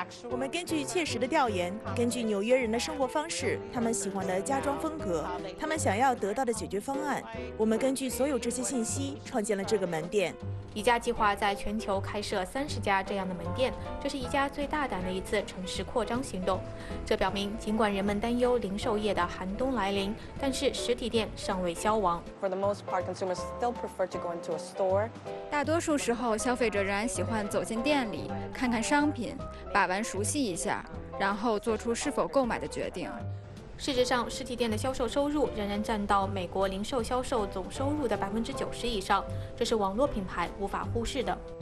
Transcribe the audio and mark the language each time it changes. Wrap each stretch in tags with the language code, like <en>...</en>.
<zh>我们根据切实的调研，根据纽约人的生活方式，他们喜欢的家装风格，他们想要得到的解决方案，我们根据所有这些信息创建了这个门店。宜家计划在全球开设30家这样的门店，这是宜家最大胆的一次城市扩张行动。这表明，尽管人们担忧零售业的寒冬来临，但是实体店尚未消亡。</zh> <en>For the most part, consumers still prefer to go into a store.</en> <zh>大多数时候，消费者仍然喜欢走进店里，看看商品，把玩熟悉一下，然后做出是否购买的决定。事实上，实体店的销售收入仍然占到美国零售销售总收入的90%以上，这是网络品牌无法忽视的。</zh>